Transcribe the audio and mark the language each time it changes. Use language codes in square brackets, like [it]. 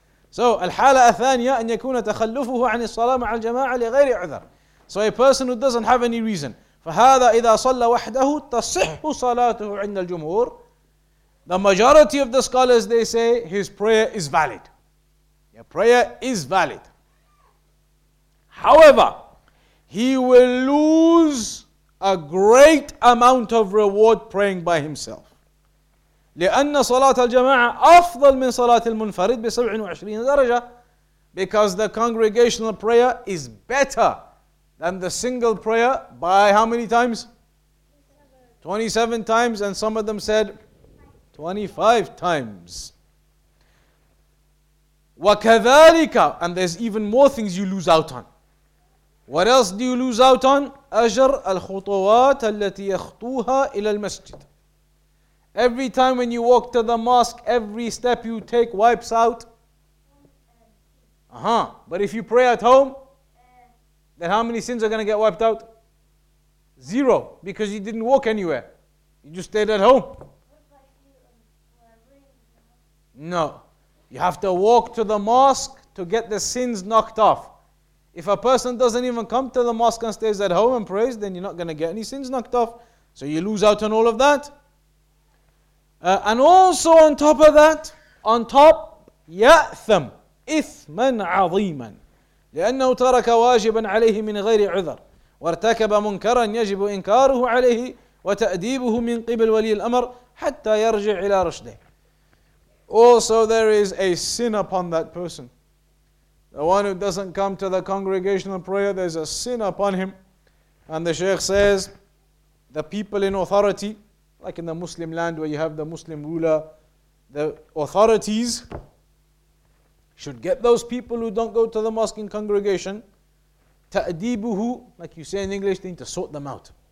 [ar] So الحالة الثانية أن يكون تخلفه عن الصلاة مع الجماعة لغير عذر. [en] So a person who doesn't have any reason. [ar] فهذا إذا صلى وحده تصح صلاته عند الجمهور. [en] The majority of the scholars, they say his prayer is valid. Your prayer is valid. However, he will lose a great amount of reward praying by himself. [ar] لأن صلاة الجماعة أفضل من صلاة المنفرد بسبع وعشرين درجة. [en] Because the congregational prayer is better than the single prayer by how many times? 27 times, and some of them said 25 times. [ar] وكذلك, [en] and there's even more things you lose out on. What else do you lose out on? [ar] أجر الخطوات التي يخطوها إلى المسجد. [en] Every time when you walk to the mosque, every step you take wipes out. Uh-huh. But if you pray at home, then how many sins are going to get wiped out? Zero. Because you didn't walk anywhere. You just stayed at home. No. You have to walk to the mosque to get the sins knocked off. If a person doesn't even come to the mosque and stays at home and prays, then you're not going to get any sins knocked off. So you lose out on all of that. And also on top of that, on top, [ar] يأثم إثما عظيما لأنه ترك واجبا عليه من غير عذر وارتكب منكرا يجب إنكاره عليه وتأديبه من قبل ولي الأمر حتى يرجع إلى رشده. [en] Also there is a sin upon that person. The one who doesn't come to the congregational prayer, there's a sin upon him. And the Shaykh says, the people in authority, like in the Muslim land where you have the Muslim ruler, the authorities should get those people who don't go to the mosque in congregation, ta'dibuhu, like you say in English, they need to sort them out.